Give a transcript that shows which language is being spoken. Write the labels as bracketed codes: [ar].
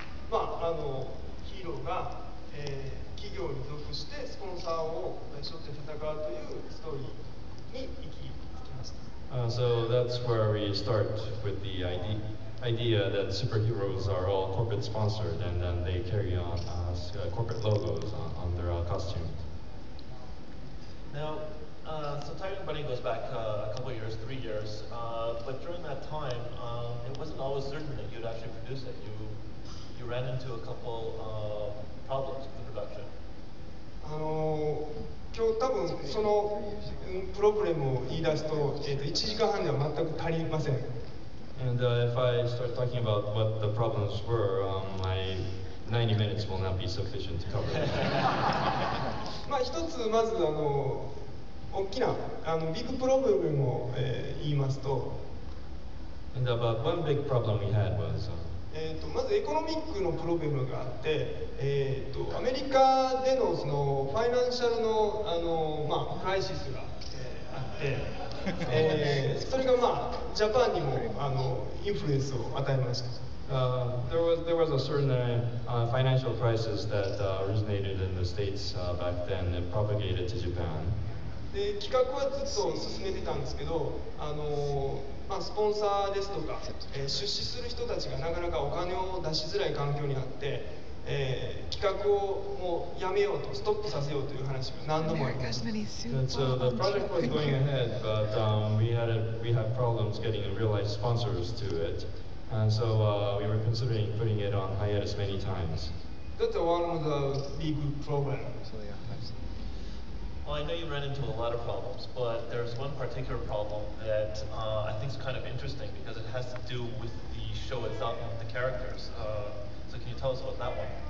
[ja] まあ、ヒーローが、企業に属してスポンサーを背負って戦うというストーリーに行き着きました。 [en] So that's where we start with the idea that superheroes are all corporate sponsored and then they carry on as corporate logos on their costume. Now, so tiger&bunny goes back a couple years, 3 years, but during that time, it wasn't always certain that you'd actually produce it. You ran into a couple problems with the production. [ja] 今日多分そのプロブレムを言い出すと、1時間半では全く足りません。 [en] And if I start talking about what the problems were, my 90 minutes will not be sufficient to cover it. [ja] まあ一つまず大きなビッグプロブレムを、言いますと、 [en] And about one big problem we had was, [ja] まずエコノミックのプロブレムがあって、アメリカで の, そのファイナンシャル の, まあ、クライシスが、あって、それが、まあ、ジャパンにもインフルエンスを与えました。 [en] There was a certain financial crisis that originated in the States back then and propagated to Japan. [ja] で企画はずっと進めてたんですけど、まあ、スポンサーですとか、出資する人たちがなかなかお金を出しづらい環境にあって、企画をもうやめようとストップさせようという話が何度もありました。 [en] So the project was going ahead, but we had problems getting real-life sponsors to it, and so we were considering putting it on hiatus many times. That's one of the big problems. Well, I know you ran into a lot of problems, but there's one particular problem that I think is kind of interesting because it has to do with the show itself and the characters. So can you tell us about that one?